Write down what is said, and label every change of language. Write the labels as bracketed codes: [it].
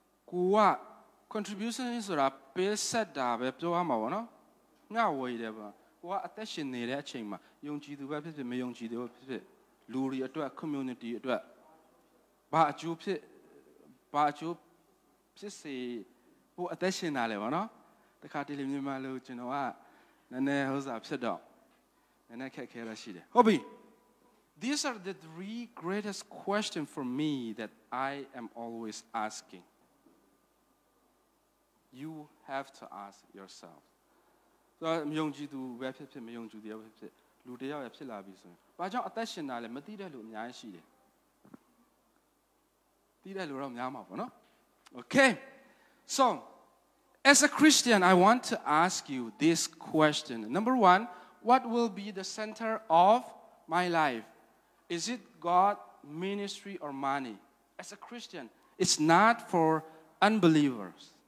[my] ကိုက contribution ဆိုတာပေးဆက်တာပဲပြောရမှာပေါ့နော်ညဝေးတယ်ပေါ့ကိုကအသက်ရှင်နေတဲ့အချိန်မှာယုံကြည်သူပဲဖြစ်ဖြစ်မယုံကြည်သူဖြစ်ဖြစ်လူတွေအတွက် community အတွက်ဘာအကျိုးဖြစ်ဘာအကျိုးဖြစ်စေကိုအသက်ရှင်တာလဲပေါ့နော်တခါတလေမြန်မာလို့ကျွန်တော်ကနည်းနည်းဥစားဖြစ်တော့နည်းနည်းခက်ခဲတာရှိတယ်ဟုတ်ပြီ These are the 3 greatest questions for me that I am always asking. [en] You have to ask yourself. [my] So, မယုံကြည်သူပဲဖြစ်ဖြစ်မယုံကြည်သူပဲဖြစ်လူတယောက်ရဖြစ်လာပြီဆိုရင်ဘာကြောင့်အသက်ရှင်တာလဲမသိတဲ့လူအများကြီးရှိတယ်။သိတဲ့လူတော့များမှာပေါ့နော်။ Okay. [en] So, as a Christian, I want to ask you this question. Number 1, what will be the center of my life? Is it God, ministry, or money? As a Christian, it's not for unbelievers.